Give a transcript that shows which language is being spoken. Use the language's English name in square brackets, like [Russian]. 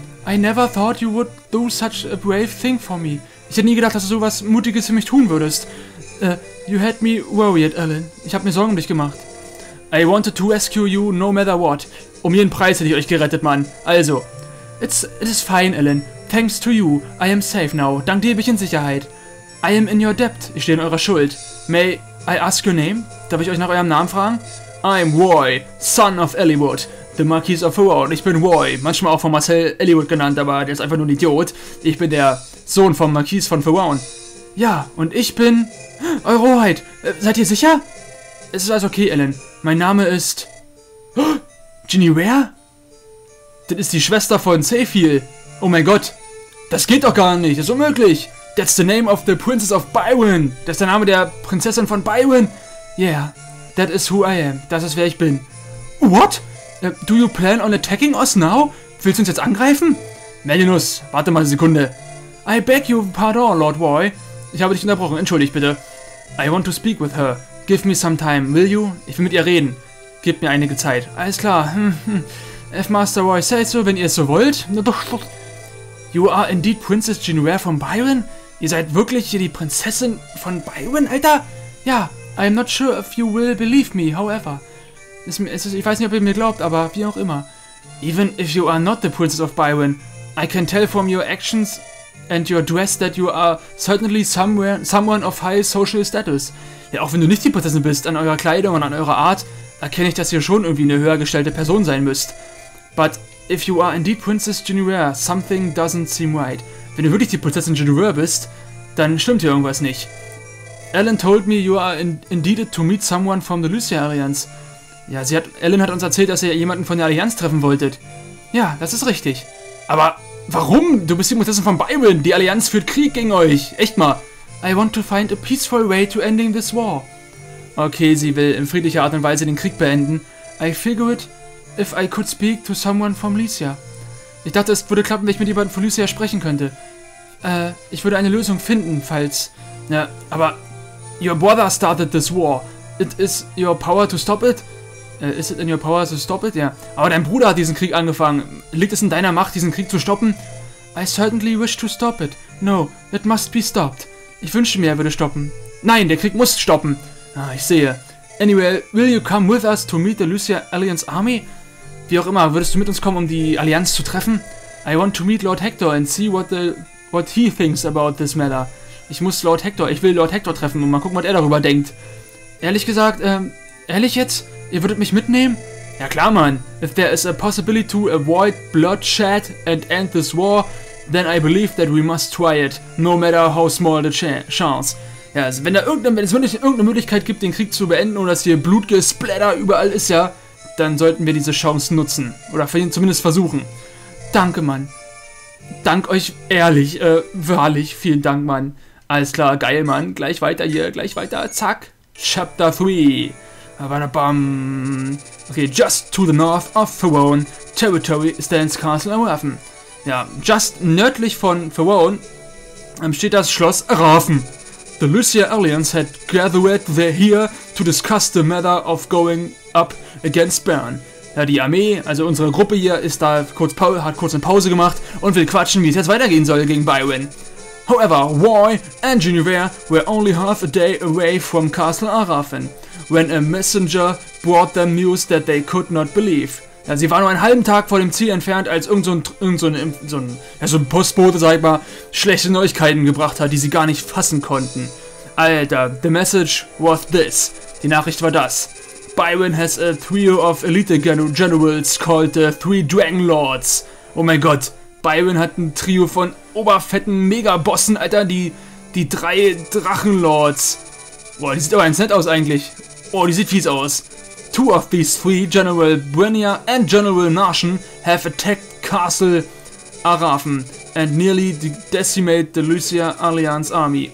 [English] I never thought you would do such a brave thing for me. [German] Ich hätte nie gedacht, dass du sowas Mutiges für mich tun würdest. [English] You had me worried, [German] Alan. Ich habe mir Sorgen um dich gemacht. [English] I wanted to rescue you no matter what. [German] Um jeden Preis hätte ich euch gerettet, Mann. [English] Also. It is fine, Alan. Thanks to you, I am safe now. [German] Dank dir bin ich in Sicherheit. [English] I am in your debt. [German] Ich stehe in eurer Schuld. [English] May I ask your name? [German] Darf ich euch nach eurem Namen fragen? [English] I'm Roy, son of Elliwood, the Marquis of Huron. [German] Ich bin Roy, manchmal auch von Marcel Elliwood genannt, aber der ist einfach nur ein Idiot. Ich bin der Sohn vom Marquis von Huron. Ja, und ich bin... Eure Hoheit, seid ihr sicher? Es ist alles okay, Alan. Mein Name ist... Ginny Ware? Das ist die Schwester von Zephiel. Oh mein Gott, das geht doch gar nicht, das ist unmöglich. [English] That's the name of the Princess of Byron. [German] Das ist der Name der Prinzessin von Byron. [English] Yeah, that is who I am. [German] Das ist, wer ich bin. [English] What? Do you plan on attacking us now? [German] Willst du uns jetzt angreifen? Melinus, warte mal eine Sekunde. [English] I beg your pardon, Lord Roy. [German] Ich habe dich unterbrochen, entschuldig bitte. [English] I want to speak with her. Give me some time, will you? [German] Ich will mit ihr reden. Gib mir einige Zeit. Alles klar. [English] F-Master Roy, say so, [German] wenn ihr es so wollt. [English] You are indeed Princess Genuaire von Byron? [German] Ihr seid wirklich hier die Prinzessin von Byron, Alter? [English] Ja, I am not sure if you will believe me, however. [German] Ich weiß nicht, ob ihr mir glaubt, aber wie auch immer. [English] Even if you are not the Princess of Byron, I can tell from your actions and your dress that you are certainly someone of high social status. [German] Ja, auch wenn du nicht die Prinzessin bist, an eurer Kleidung und an eurer Art, erkenne ich, dass ihr schon irgendwie eine höher gestellte Person sein müsst. [English] But if you are indeed Princess Genuaire, something doesn't seem right. [German] Wenn du wirklich die Prinzessin Genuaire bist, dann stimmt hier irgendwas nicht. [English] Alan told me you are indeed to meet someone from the Lucia Alliance. [German] Ja, Alan hat uns erzählt, dass ihr jemanden von der Allianz treffen wolltet. Ja, das ist richtig. Aber warum? Du bist die Prinzessin von Byron. Die Allianz führt Krieg gegen euch. Echt mal. [English] I want to find a peaceful way to ending this war. [German] Okay, sie will in friedlicher Art und Weise den Krieg beenden. [English] I figured if I could speak to someone from Lycia. [German] Ich dachte, es würde klappen, wenn ich mit jemandem von Lycia sprechen könnte. Ich würde eine Lösung finden, falls... Ja, aber... [English] Your brother started this war. It is your power to stop it? Is it in your power to stop it? [German] Ja. Aber dein Bruder hat diesen Krieg angefangen. Liegt es in deiner Macht, diesen Krieg zu stoppen? [English] I certainly wish to stop it. No, it must be stopped. [German] Ich wünschte mir, er würde stoppen. Nein, der Krieg muss stoppen. Ah, ich sehe. [English] Anyway, will you come with us to meet the Lucia Alliance Army? [German] Wie auch immer, würdest du mit uns kommen, um die Allianz zu treffen? [English] I want to meet Lord Hector and see what he thinks about this matter. [German] Ich will Lord Hector treffen und mal gucken, was er darüber denkt. Ehrlich gesagt, ehrlich jetzt? Ihr würdet mich mitnehmen? Ja klar, Mann. [English] If there is a possibility to avoid bloodshed and end this war, then I believe that we must try it, no matter how small the chance. [German] Ja, also wenn es wirklich irgendeine Möglichkeit gibt, den Krieg zu beenden, ohne dass hier Blutgesplatter überall ist, ja, dann sollten wir diese Chance nutzen. Oder zumindest versuchen. Danke, Mann. Dank euch ehrlich, wahrlich, vielen Dank, Mann. Alles klar, geil, Mann. Gleich weiter hier, gleich weiter, zack. Chapter 3. [English] Abadabam. Okay, just to the north of Faron Territory stands Castle Arafen. [German] Ja, just nördlich von Faron steht das Schloss Arafen. [English] The Lucia Alliance had gathered there here to discuss the matter of going up against Bern. [German] Ja, die Armee, also unsere Gruppe hier, ist da hat kurz eine Pause gemacht und will quatschen, wie es jetzt weitergehen soll gegen Byron. [English] However, Roy and Genuaire were only half a day away from Castle Arafen, when a messenger brought them news that they could not believe. [German] Ja, sie war nur einen halben Tag vor dem Ziel entfernt, als so ein Postbote, sag ich mal, schlechte Neuigkeiten gebracht hat, die sie gar nicht fassen konnten. [English] Alter, the message was this. [German] Die Nachricht war das. [English] Byron has a trio of elite generals called the Three Dragon Lords. [German] Oh mein Gott, Byron hat ein Trio von oberfetten Megabossen, Alter, die drei Drachenlords. Boah, die sieht aber ganz nett aus eigentlich. Boah, die sieht fies aus. [English] Two of these three, General Brenia and General Narshan, have attacked Castle Arafen and nearly decimated the Lucia Alliance Army.